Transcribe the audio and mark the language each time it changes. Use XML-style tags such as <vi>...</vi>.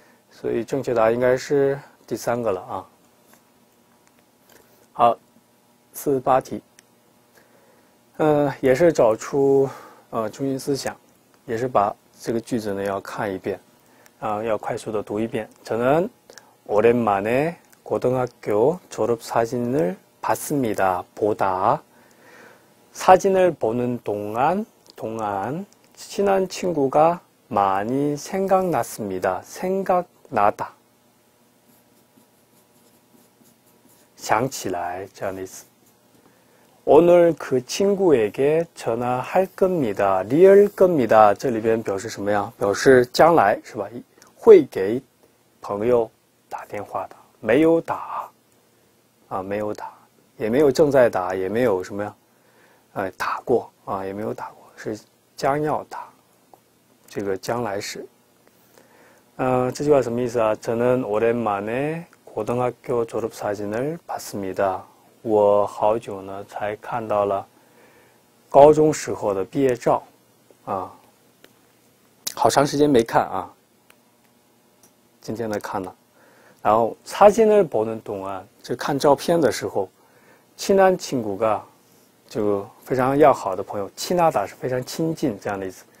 <zh>所以正确答案应该是第三个了啊。好，48题。也是找出中心思想，也是把这个句子呢要看一遍，要快速的读一遍。</zh> <ko>저는오랜만에고등학교졸업사진을봤습니다。 보다사진을보는동안친한친구가많이생각났습니다。 생각나다，想起来这样的意思。 오늘그친구에게전화할겁니다，리얼겁니다。</ko> <zh>这里边表示什么呀？表示将来是吧？会给朋友打电话的。没有打，啊，没有打，也没有正在打，也没有什么呀，打过啊，也没有打过，是将要打，这个将来时。这句话什么意思啊？</zh> <ko>저는오랜만에고등학교졸업사진을봤습니다。</ko> <zh>我好久呢才看到了高中时候的毕业照，啊，好长时间没看啊，今天来看了。然后</zh> <ko>사진을보는동안，</ko> <zh>就看照片的时候，</zh> <ko>친한친구가</ko> <zh>就非常要好的朋友，</zh> <ko>친하다</ko> <zh>是非常亲近这样的意思。</zh>